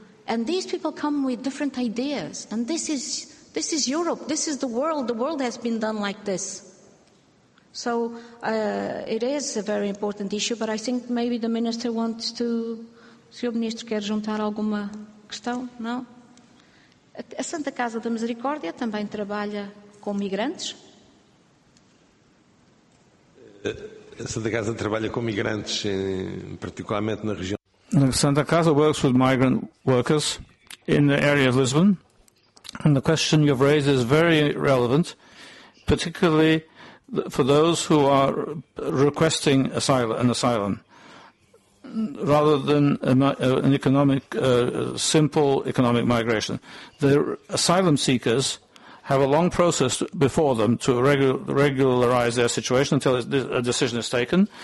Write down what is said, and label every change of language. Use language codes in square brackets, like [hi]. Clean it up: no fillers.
[en] And these people come with different ideas. And this is Europe. This is the world. The world has been done like this. So it is a very important issue. But I think maybe the minister wants to... [pt] Sr. Ministro, quer juntar alguma questão? Não? A Santa Casa da Misericórdia também trabalha com migrantes? A Santa Casa trabalha com migrantes, particularmente na região... [en] Santa Casa works with migrant workers in the area of Lisbon, and the question you've raised is very relevant, particularly for those who are requesting an asylum. Rather than an economic migration, the asylum seekers have a long process before them to regularize their situation until a decision is taken.